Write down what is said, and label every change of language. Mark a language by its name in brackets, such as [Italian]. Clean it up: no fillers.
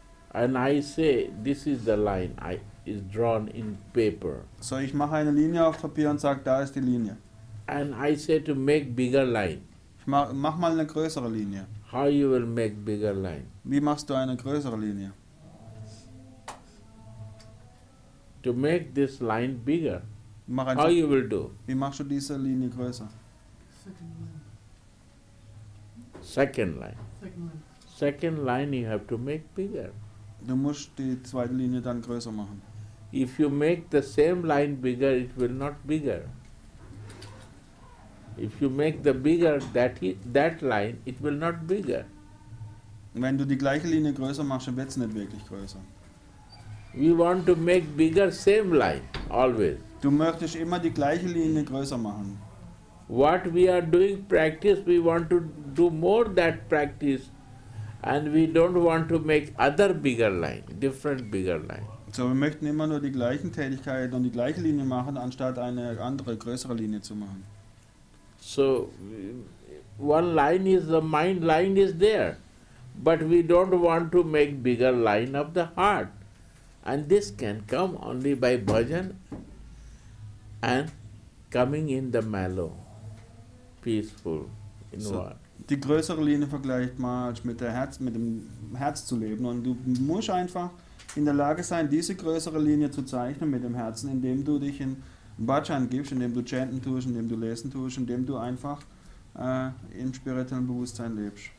[English] And I say, this is the line I is drawn in paper. [German] So ich mache eine Linie auf Papier und sage, da ist die Linie. [English] And I say to make bigger line. [German] Mach mal eine größere Linie. [English] How you will make bigger line? [German] Wie machst du eine größere Linie? [English] To make this line bigger. [German] Mach [English] how you will do? [German] Wie machst du diese Linie größer? [English] Second line. Second line. Second line you have to make bigger. [German] Du musst die zweite Linie dann größer machen. [English] If you make the same line bigger, it will not bigger. If you make the bigger that line, it will not bigger. [German] Wenn du die gleiche Linie größer machst, dann wird's nicht wirklich größer. [English] We want to make bigger same line always. [German] Du möchtest immer die gleiche Linie größer machen. [English] What we are doing practice, we want to do more that practice, and we don't want to make other bigger line, different bigger line. [German] So wir möchten immer nur die gleichen Tätigkeiten und die gleiche Linie machen, anstatt eine andere größere Linie zu machen. [English] So, one line is the mind line is there, but we don't want to make bigger line of the heart, and this can come only by bhajan and coming in the mellow, peaceful, in [German] so, die größere Linie vergleicht mal mit der Herz, mit dem Herz zu leben, und du musst einfach in der Lage sein, diese größere Linie zu zeichnen mit dem Herzen, indem du dich in Bhajan gibst, indem du chanten tust, indem du lesen tust, indem du einfach im spirituellen Bewusstsein lebst.